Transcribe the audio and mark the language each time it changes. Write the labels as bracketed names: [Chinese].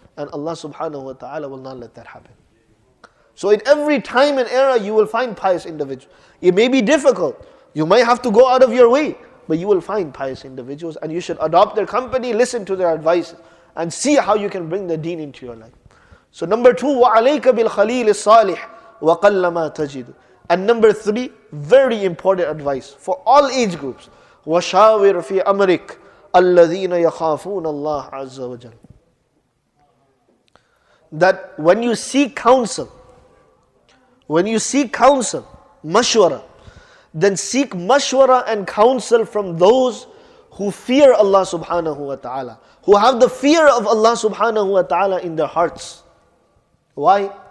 [English] And Allah subhanahu wa ta'ala will not let that happen. So in every time and era, you will find pious individuals. It may be difficult. You might have to go out of your way. But you will find pious individuals, and you should adopt their company, listen to their advice, and see how you can bring the deen into your life. So number two, [Arabic] وَعَلَيْكَ بِالْخَلِيلِ الصَّالِحِ وَقَلَّ مَا تَجِدُ. [English] And number three, very important advice for all age groups, [Arabic] وَشَاوِرْ فِي أَمْرِكَ الَّذِينَ يَخَافُونَ اللَّهَ عَزَّ وَجَلَّ. [English] That when you seek counsel, when you seek counsel, mashwara, then seek mashwara and counsel from those who fear Allah subhanahu wa ta'ala, who have the fear of Allah subhanahu wa ta'ala in their hearts. Why?